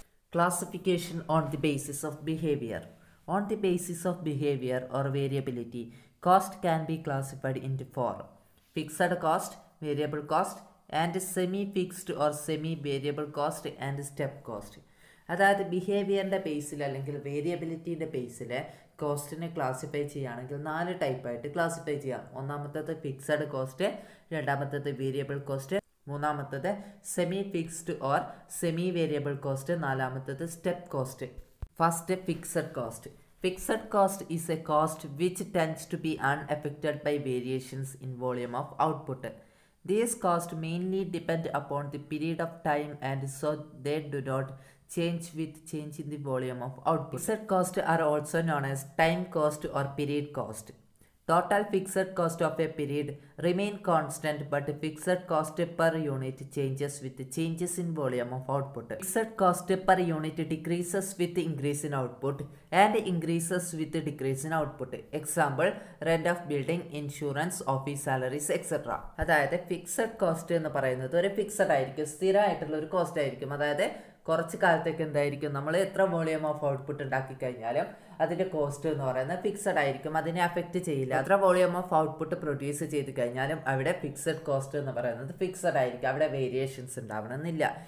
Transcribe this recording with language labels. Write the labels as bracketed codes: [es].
[en] Classification on the basis of behavior. On the basis of behavior or variability, cost can be classified into four: fixed cost, variable cost, and semi-fixed or semi-variable cost, and step cost. [ml] അതായത് ബിഹേവിയറിൻ്റെ ബേസിൽ അല്ലെങ്കിൽ വേരിയബിലിറ്റിൻ്റെ ബേസിൽ കോസ്റ്റിനെ classify ചെയ്യുകയാണെങ്കിൽ നാല് ടൈപ്പായിട്ട് classify ചെയ്യാം. ഒന്നാമത്തത് fixed cost, രണ്ടാമത്തത് variable cost, മൂന്നാമത്തത് semi fixed or semi variable cost, നാലാമത്തത് step cost. [en] First fixed cost. Fixed cost is a cost which tends to be unaffected by variations in volume of output. These cost mainly depend upon the period of time and so they do not change with change in the volume of output. Fixed cost are also known as time cost or period cost. Total fixed cost of a period remain constant, but fixed cost per unit changes with changes in volume of output. Fixed cost per unit decreases with increase in output and increases with decrease in output. Example, rent of building, insurance, office salaries, etc. [ml] അതായത് fixed cost എന്ന് പറയുന്നത് ഒരു fixed ആയിരിക്കും, സ്ഥിരമായിട്ടുള്ള ഒരു cost ആയിരിക്കും. അതായത് കുറച്ച് കാലത്തേക്ക് എന്തായിരിക്കും, നമ്മൾ എത്ര വോളിയം ഓഫ് ഔട്ട്പുട്ട് ഉണ്ടാക്കി കഴിഞ്ഞാലും അതിൻ്റെ കോസ്റ്റ് എന്ന് പറയുന്നത് ഫിക്സഡ് ആയിരിക്കും, അതിനെ അഫക്റ്റ് ചെയ്യില്ല. എത്ര വോളിയം ഓഫ് ഔട്ട്പുട്ട് പ്രൊഡ്യൂസ് ചെയ്ത് കഴിഞ്ഞാലും അവിടെ ഫിക്സഡ് കോസ്റ്റ് എന്ന് പറയുന്നത് ഫിക്സഡ് ആയിരിക്കും, അവിടെ വേരിയേഷൻസ് ഉണ്ടാവണമെന്നില്ല.